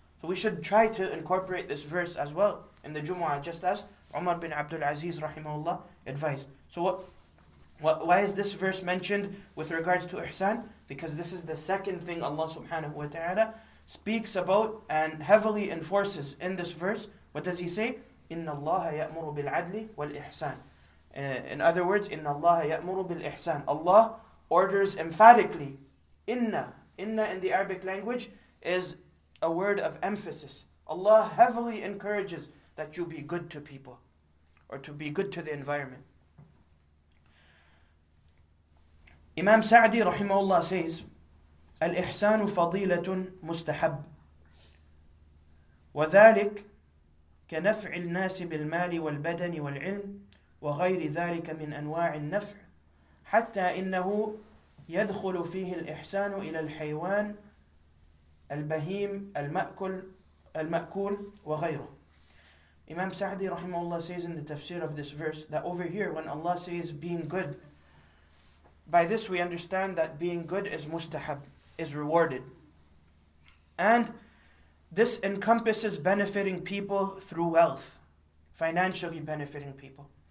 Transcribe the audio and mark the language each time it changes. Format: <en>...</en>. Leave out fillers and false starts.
<en>So we should try to incorporate this verse as well in the Jumu'ah, just as Umar bin Abdul Aziz rahimahullah advised. So why is this verse mentioned with regards to ihsan? Because this is the second thing Allah subhanahu wa ta'ala speaks about and heavily enforces in this verse. What does he say?</en> <ar>إِنَّ اللَّهَ يَأْمُرُ بِالْعَدْلِ وَالْإِحْسَانِ</ar> <en>In other words,</en> <ar>إِنَّ اللَّهَ يَأْمُرُ بِالْإِحْسَانِ</ar> <en>Allah orders emphatically. إِنَّ in the Arabic language is a word of emphasis. Allah heavily encourages that you be good to people or to be good to the environment. Imam Sa'di rahimahullah says,</en> <ar>الْإِحْسَانُ فَضِيلَةٌ مُسْتَحَبٌ وذلك كنفع الناس بالمال والبدن والعلم وغير ذلك من أنواع النفع حتى إنه يدخل فيه الإحسان إلى الحيوان البهيم المأكول وغيره.</ar> <en>Imam Sa'di rahimahullah says in the tafsir of this verse that over here when Allah says being good, by this we understand that being good is mustahab, is rewarded. And this encompasses benefiting people through wealth, financially benefiting people.</en>